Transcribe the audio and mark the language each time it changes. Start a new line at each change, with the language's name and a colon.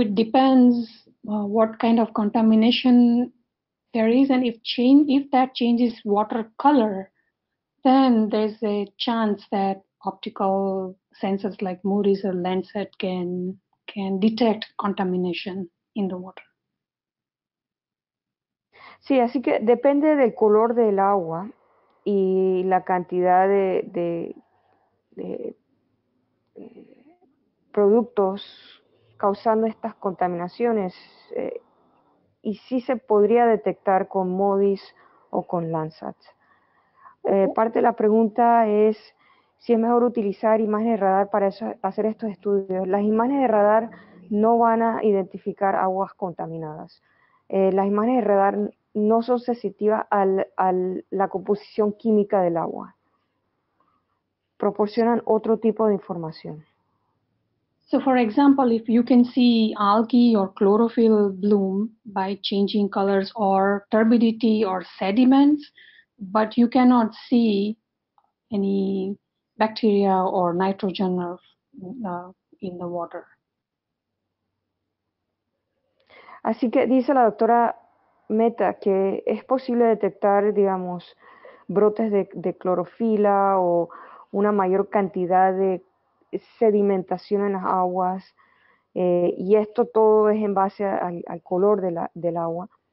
English: It depends what kind of contamination there is, and if that changes water color, then there's a chance that optical sensors like MURIS or Landsat can detect contamination in the water.
Spanish: Sí, así que depende del color del agua y la cantidad de productos causando estas contaminaciones. Y sí se podría detectar con MODIS o con Landsat. Parte de la pregunta es si es mejor utilizar imágenes de radar para eso, hacer estos estudios. Las imágenes de radar no van a identificar aguas contaminadas. Las imágenes de radar no son sensitivas a la composición química del agua. Proporcionan otro tipo de información.
English: So for example, if you can see algae or chlorophyll bloom by changing colors or turbidity or sediments, but you cannot see any bacteria or nitrogen in the water.
Spanish: Así que dice la doctora Meta que es posible detectar, digamos, brotes de clorofila o una mayor cantidad de sedimentación en las aguas, y esto todo es en base al color de del agua.